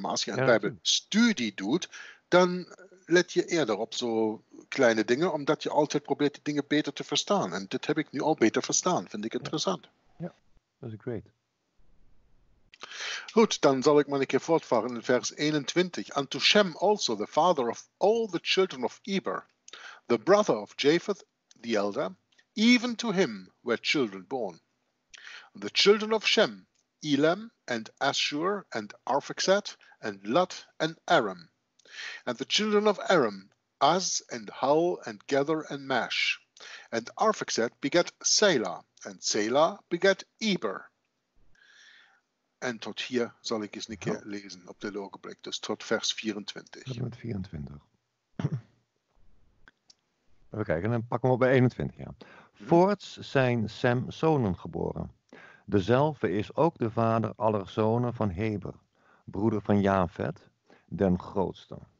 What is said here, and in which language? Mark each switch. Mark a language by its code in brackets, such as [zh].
[nl] Maar als je een Bijbelstudie doet, dan let je eerder op zo kleine dingen, omdat je altijd probeert die dingen beter te verstaan. En dit heb ik nu al beter verstaan. Vind ik interessant. Ja, dat is great. Goed, dan zal ik maar een keer voortvaren in vers 21. [en] And to Shem also, the father of all the children of Eber, the brother of Japheth, the elder, even to him were children born. The children of Shem, Elam, and Ashur, and Arphaxad, and Lut, and Aram. And the children of Aram, Uz, and Hul, and Gether, and Mash. And Arphaxad begat Selah, And Selah begat Eber. [nl] En tot hier zal ik eens een keer lezen op de ogenblik. Dus tot vers 24. Met 24. Even kijken, dan pakken we op bij 21. Ja. Voorts zijn Sem zonen geboren. Dezelfde is ook de vader aller zonen van Heber, broeder van Jafet, den grootste.